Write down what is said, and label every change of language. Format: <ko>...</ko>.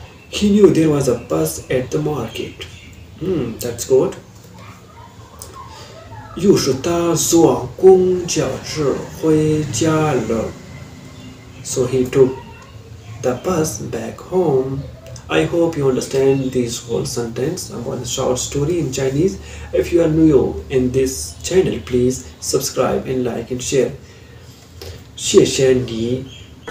<en>He knew there was a bus at the market. That's good.</en> <zh>于是他坐公交车回家了。</zh> <en>So he took. The bus back home. I hope you understand this whole sentence about the short story in Chinese. If you are new in this channel, please subscribe and like and share.</en> <zh>谢谢你</zh>